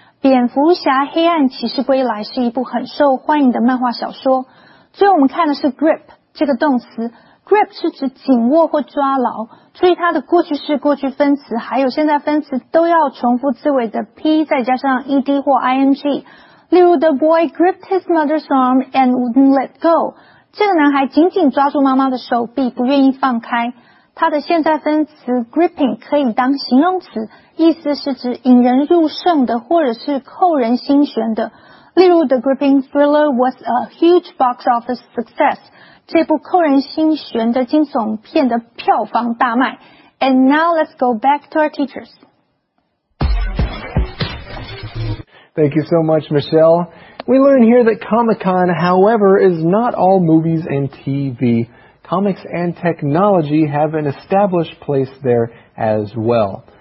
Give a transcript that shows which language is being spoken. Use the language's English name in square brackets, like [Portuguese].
[Chinese] 蝙蝠侠黑暗骑士归来是一部很受欢迎的漫画小说。最后我们看的是 grip 这个动词。grip 是指紧握或抓牢。注意它的过去式、过去分词还有现在分词都要重复字尾的 p 再加上 ed 或 ing。 [English] 例如 ,the boy gripped his mother's arm and wouldn't let go。 [Chinese] 这个男孩紧紧抓住妈妈的手臂不愿意放开。它的现在分词 gripping 可以当形容词，意思是指引人入胜的或者是扣人心弦的。 [English] 例如 The Gripping Thriller was a huge box office success. [Chinese] 这部扣人心弦的惊悚片的票房大卖。 [English] And now let's go back to our teachers. Thank you so much, Michelle. We learn here that Comic-Con, however, is not all movies and TV. comics and technology have an established place there as well.